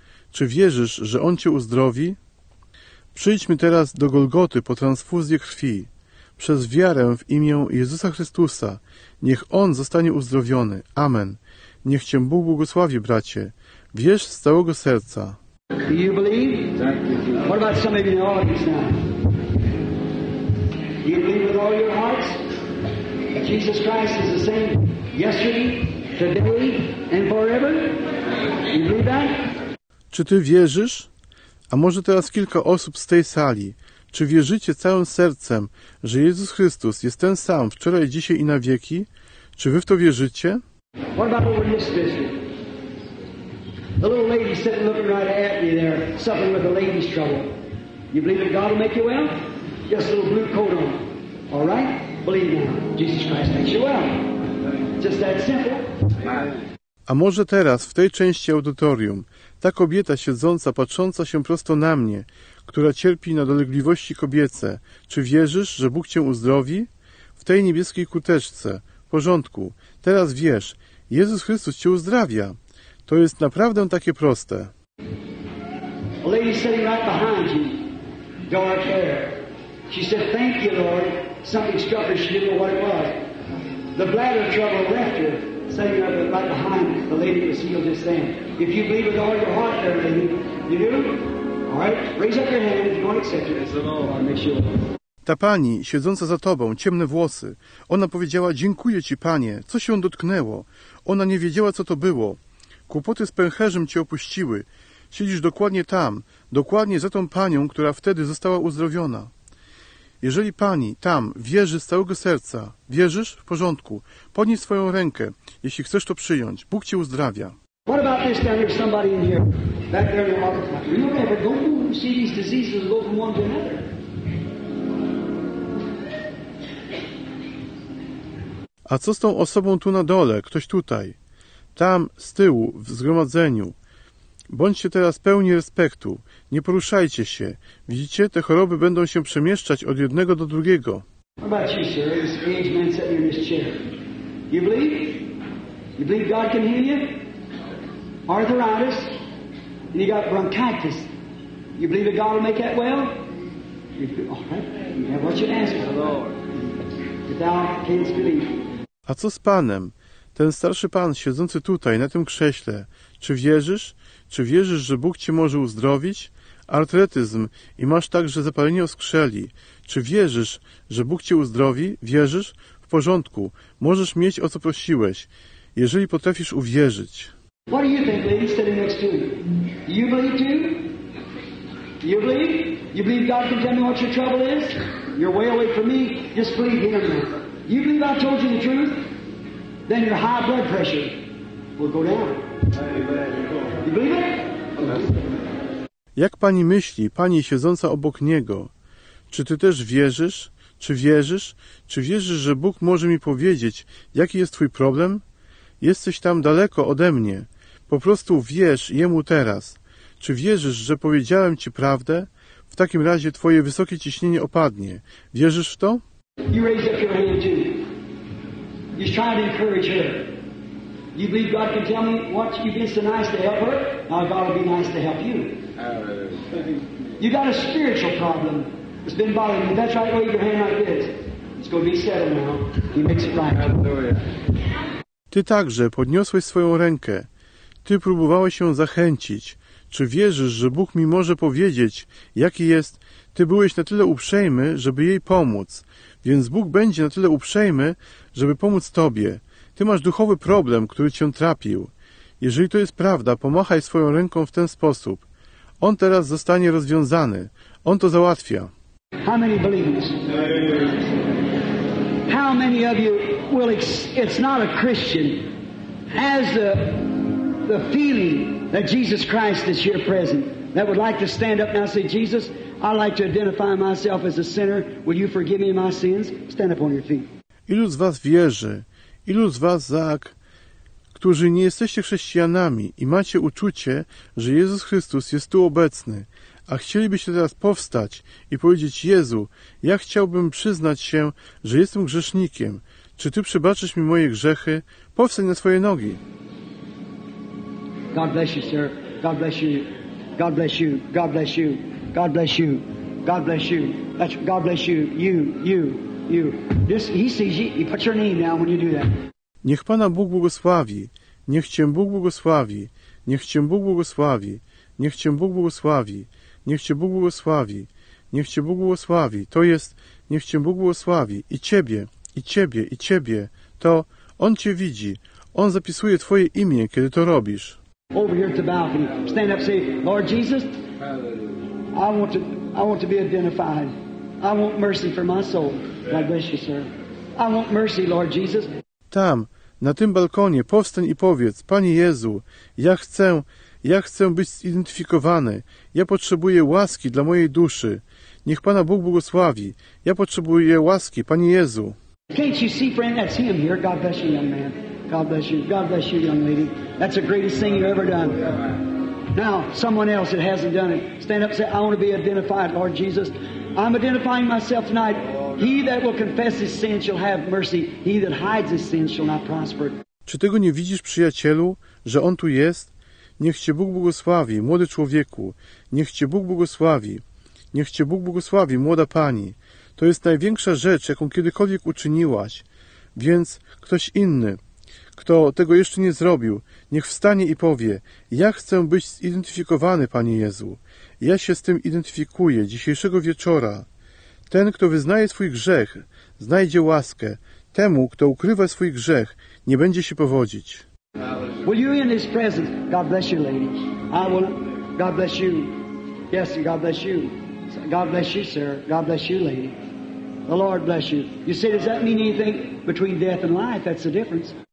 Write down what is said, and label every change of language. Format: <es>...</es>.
<pl>Czy wierzysz, że On cię uzdrowi? Przyjdźmy teraz do Golgoty po transfuzję krwi. Przez wiarę w imię Jezusa Chrystusa. Niech On zostanie uzdrowiony. Amen. Niech cię Bóg błogosławi, bracie. Wierz z całego serca.</pl> <en>Do you believe? What about some of you in the audience now? Do you believe with all your hearts that Jesus Christ is the same yesterday, today and forever? Do you believe that?</en> <pl>Czy ty wierzysz? A może teraz kilka osób z tej sali. Czy wierzycie całym sercem, że Jezus Chrystus jest ten sam wczoraj, dzisiaj i na wieki? Czy wy w to wierzycie?</pl> <en>What about over this vision? The little lady sitting looking right at me there, suffering with a lady's trouble. You believe that God will make you well? Just a little blue coat on. All right? Believe now. Jesus Christ makes you well. Just that simple.</en> <pl>A może teraz, w tej części audytorium, ta kobieta siedząca, patrząca się prosto na mnie, która cierpi na dolegliwości kobiece, czy wierzysz, że Bóg cię uzdrowi? W tej niebieskiej kurteczce. W porządku. Teraz wiesz, Jezus Chrystus cię uzdrawia. To jest naprawdę takie proste.</pl> <en>A lady sitting right behind you, dark hair. She said, thank you, Lord. Something struck her, she didn't know what it was. The bladder trouble left her, sitting right behind you. The lady was healed just then. If you believe with all your heart there, lady, you do? All right, raise up your hand if you want to accept it. It's the Lord, make sure.</en> <pl>Ta pani, siedząca za tobą, ciemne włosy, ona powiedziała, dziękuję ci, panie, co się dotknęło. Ona nie wiedziała, co to było. Kłopoty z pęcherzem cię opuściły. Siedzisz dokładnie tam, dokładnie za tą panią, która wtedy została uzdrowiona. Jeżeli pani tam wierzy z całego serca, wierzysz? W porządku. Podnieś swoją rękę, jeśli chcesz to przyjąć. Bóg cię uzdrawia.</pl> <en>What about this down here? Somebody in here, back there in the office. You know, but don't you see these diseases go from one to another?</en> <pl>A co z tą osobą tu na dole? Ktoś tutaj. Tam, z tyłu, w zgromadzeniu. Bądźcie teraz pełni respektu. Nie poruszajcie się. Widzicie, te choroby będą się przemieszczać od jednego do drugiego.</pl> <en>What about you, sir? This aged man sitting in this chair. You believe? You believe God can heal you? Arthritis? And you got bronchitis? You believe that God will make that well? All right. You have what you ask for. If thou canst believe.</en> <pl>A co z panem? Ten starszy pan siedzący tutaj, na tym krześle. Czy wierzysz? Czy wierzysz, że Bóg cię może uzdrowić? Artretyzm i masz także zapalenie oskrzeli. Czy wierzysz, że Bóg cię uzdrowi? Wierzysz? W porządku. Możesz mieć, o co prosiłeś, jeżeli potrafisz uwierzyć.</pl> <en>What do you think, lady, standing next to you? You believe too? You believe? You believe God can tell me what your trouble is? You're way away from me. Just believe him. You believe I told you the truth? Then your high blood pressure will go down. You believe it?</en> <pl>Jak pani myśli, pani siedząca obok niego? Czy ty też wierzysz? Czy wierzysz? Czy wierzysz, że Bóg może mi powiedzieć, jaki jest twój problem? Jesteś tam daleko ode mnie. Po prostu wierz jemu teraz. Czy wierzysz, że powiedziałem ci prawdę? W takim razie twoje wysokie ciśnienie opadnie. Wierzysz w to?</pl> <en>You raise up your hand too. He's trying to encourage her. You believe God can tell me what you've been so nice to help her? Now God will be nice to help you. You got a spiritual problem. It's been bothering you. That's right, wave your hand like this. It's going to be settled now. He makes it right. Hallelujah.</en> <pl>Ty także podniosłeś swoją rękę. Ty próbowałeś ją zachęcić. Czy wierzysz, że Bóg mi może powiedzieć, jaki jest? Ty byłeś na tyle uprzejmy, żeby jej pomóc. Więc Bóg będzie na tyle uprzejmy, żeby pomóc tobie. Ty masz duchowy problem, który cię trapił. Jeżeli to jest prawda, pomachaj swoją ręką w ten sposób. On teraz zostanie rozwiązany. On to załatwia.</pl> <en>How many believe? How many of you will it's not a Christian has the feeling that Jesus Christ is here present that would like to stand up now and say, Jesus, I'd like to identify myself as a sinner. Will you forgive me my sins? Stand up on your feet.</en> <pl>Ilu z was wierzy? Ilu z was, Zach, którzy nie jesteście chrześcijanami i macie uczucie, że Jezus Chrystus jest tu obecny, a chcielibyście teraz powstać i powiedzieć, Jezu, ja chciałbym przyznać się, że jestem grzesznikiem. Czy Ty przebaczysz mi moje grzechy? Powstań na swoje nogi.</pl> <en>God bless you, sir. God bless you. God bless you. God bless you. God bless you. God bless you. God bless you. You. He put your name now when you do that.</en> <pl>Niech Pana Bóg błogosławi. Niech Cię Bóg błogosławi. Niech Cię Bóg błogosławi. Niech Cię Bóg błogosławi. Niech Cię Bóg błogosławi. Niech Cię Bóg błogosławi. To jest, niech Cię Bóg błogosławi. I Ciebie, i Ciebie, i Ciebie. To On Cię widzi. On zapisuje Twoje imię, kiedy to robisz.</pl> <en>Over here at the balcony. Stand up, say, Lord Jesus, I want to be identified. I want mercy for my soul. God bless you, sir. I want mercy, Lord Jesus.</en> <pl>Tam, na tym balkonie, powstań i powiedz, Panie Jezu, ja chcę być zidentyfikowany. Ja potrzebuję łaski dla mojej duszy. Niech Pana Bóg błogosławi. Ja potrzebuję łaski, Panie Jezu.</pl> <en>Can't you see, friend, that's him here. God bless you, young man. God bless you. God bless you, young lady. That's the greatest thing you've ever done. Now, someone else that hasn't done it, stand up and say, I want to be identified, Lord Jesus. I'm identifying myself tonight. He that will confess his sin shall have mercy. He that hides his sin shall not prosper.</en> <pl>Czy tego nie widzisz, przyjacielu, że on tu jest? Niech Cię Bóg błogosławi, młody człowieku. Niech Cię Bóg błogosławi. Niech Cię Bóg błogosławi, młoda pani. To jest największa rzecz, jaką kiedykolwiek uczyniłaś. Więc ktoś inny, kto tego jeszcze nie zrobił, niech wstanie i powie, ja chcę być zidentyfikowany, Panie Jezu. Ja się z tym identyfikuję dzisiejszego wieczora. Ten, kto wyznaje swój grzech, znajdzie łaskę. Temu, kto ukrywa swój grzech, nie będzie się powodzić.</pl> <en>Will you in his presence? God bless you, lady. I will. God bless you. Yes, God bless you. God bless you, sir. God bless you, lady. The Lord bless you. You say, does that mean anything between death and life? That's the difference.</en>